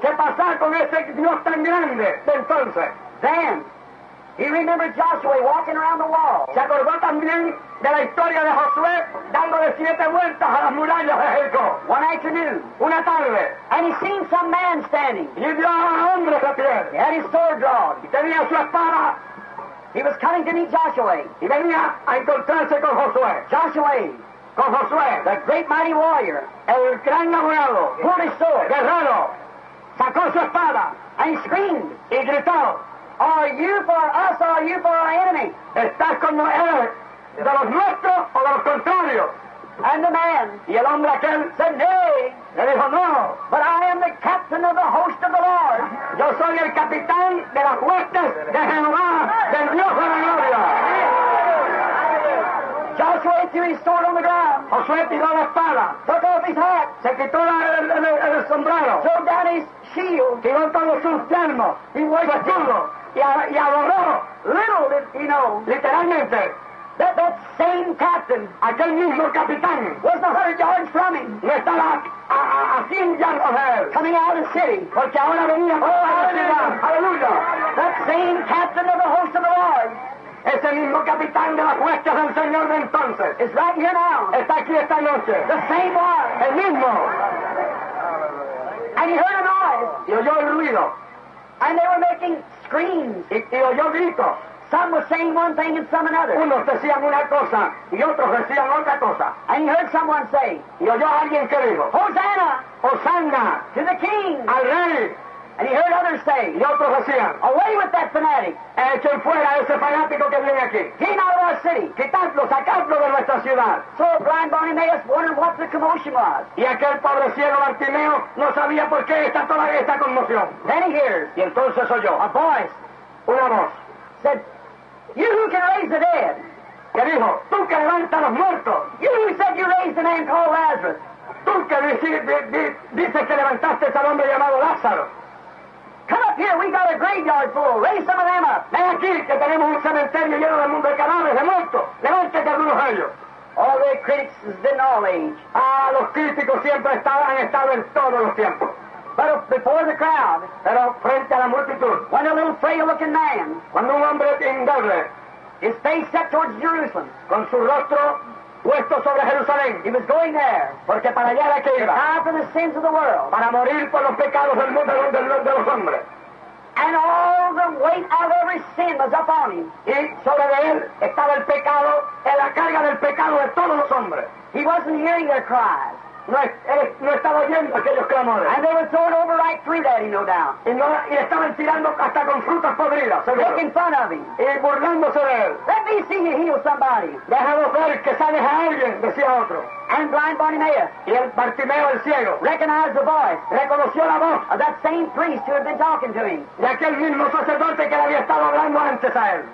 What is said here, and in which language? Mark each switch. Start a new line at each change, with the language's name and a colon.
Spanish: ¿Qué pasó con ese Dios tan grande de entonces?
English: Then, he remembered Joshua walking around the wall.
Spanish: Se acordó también de la historia de Josué dándole siete vueltas a las murallas de Jericó.
English: One afternoon.
Spanish: Una tarde.
English: And he seen some man standing.
Spanish: Y vio a un hombre de pie.
English: He had his sword drawn.
Spanish: Y tenía su espada.
English: He was coming to meet Joshua.
Spanish: Y venía a encontrarse con Josué.
English: Joshua.
Spanish: Con Josué.
English: The great mighty warrior.
Spanish: El gran abogado.
English: Pulled his sword.
Spanish: Guerrero. Sacó su espada.
English: And he screamed.
Spanish: Y gritó.
English: Are you for us or are you for our enemy?
Spanish: ¿Estás con nosotros de los nuestros o de los contrarios?
English: And the man,
Spanish: y el hombre aquel,
English: said, nay.
Spanish: Le dijo, no.
English: But I am the captain of the host of the Lord.
Spanish: Yo soy el capitán de las huestes de Jehová, del Dios de la gloria.
English: Joshua threw his sword on the ground.
Spanish: Josué tiró la espada.
English: Took off his hat.
Spanish: Se quitó el sombrero.
English: Threw down his shield.
Spanish: Tiró todos sus yelmos.
English: He worshipped.
Spanish: Su escudo. Y adoró.
English: Little did he know.
Spanish: Literalmente.
English: That same captain.
Spanish: Aquel mismo capitán.
English: Was 100 yards from him.
Spanish: No estaba a 100
English: yards of
Spanish: él.
English: Coming out of the city.
Spanish: Porque ahora venía.
English: Oh, hallelujah.
Spanish: Hallelujah.
English: That same captain of the host of the Lord.
Spanish: Ese mismo capitán de las huestes del Señor de entonces.
English: Is right here now.
Spanish: Está aquí esta noche.
English: The same one.
Spanish: El mismo.
English: And he heard a noise.
Spanish: Y oyó el ruido.
English: And they were making screams.
Spanish: Y oyó gritos.
English: Some were saying one thing and some another.
Spanish: Unos decían una cosa y otros decían otra cosa.
English: And he heard someone say.
Spanish: Y oyó alguien que dijo.
English: Hosanna.
Spanish: Hosanna.
English: To the king.
Spanish: Al rey.
English: And he heard others say,
Spanish: y otros decían,
English: away with that fanatic.
Spanish: Echen fuera ese fanático que viene aquí.
English: Get out of our city.
Spanish: Quitadlo, sacadlo de nuestra ciudad.
English: So blind Bartimaeus wondered what the commotion was.
Spanish: Y aquel pobre ciego Bartimeo no sabía por qué está toda esta conmoción.
English: Then he hears,
Spanish: y entonces oyó,
English: a voice,
Spanish: una voz,
English: said, you who can raise the dead.
Spanish: Que dijo, tú que levantas los muertos.
English: You who said you raised the man called Lazarus.
Spanish: Tú que dices que levantaste al hombre llamado Lázaro.
English: Come up here, we got a graveyard full. Raise some of them up.
Spanish: Ven aquí, que tenemos un cementerio lleno de mundo de cadáveres, de muertos. Levántate algunos de ellos.
English: All the critics have been all age.
Spanish: Ah, los críticos siempre han estado en todos los tiempos.
English: But before the crowd.
Spanish: Pero frente a la multitud.
English: When a little frail-looking man.
Spanish: Cuando un hombre indoble.
English: His face set towards Jerusalem.
Spanish: Con su rostro puesto sobre Jerusalén.
English: He was going there.
Spanish: Porque para allá era que iba.
English: To die for the sins of the world.
Spanish: Para morir por los pecados del mundo de los hombres.
English: And all the weight of every sin was upon him.
Spanish: Y sobre él estaba el pecado, la carga del pecado de todos los hombres.
English: He wasn't hearing their cries.
Spanish: No estaba oyendo aquellos clamores.
English: And they were throwing over right through that, he no doubt.
Spanish: Y estaban tirando hasta con frutas podridas.
English: Making fun of him.
Spanish: Y burlándose de él.
English: Let me see you heal somebody.
Spanish: Déjalo ver que sales a alguien, decía otro.
English: And blind Bartimaeus.
Spanish: Y el Bartimeo el ciego.
English: Recognized the voice.
Spanish: Reconoció la voz.
English: Of that same priest who had been talking to him.
Spanish: De aquel mismo sacerdote que le había estado hablando antes a él.